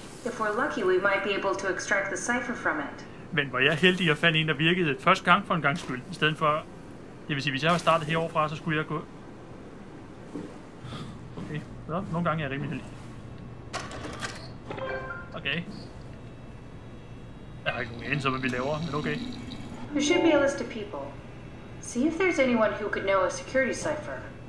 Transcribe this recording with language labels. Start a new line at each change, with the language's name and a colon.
English: If we're lucky, we might be able to extract the cipher from it.
Danish: Men var jeg heldig at finde en, der virkede første gang for en gangs skyld, i stedet for... Det vil sige, hvis jeg var startet herovre fra, så skulle jeg gå... Okay, så nogle gange er jeg rimelig heldig. Okay. Jeg har ikke nogen anelse om, hvad vi laver, men okay.
English: There should be a list of people. See if there's anyone who could know a security cipher.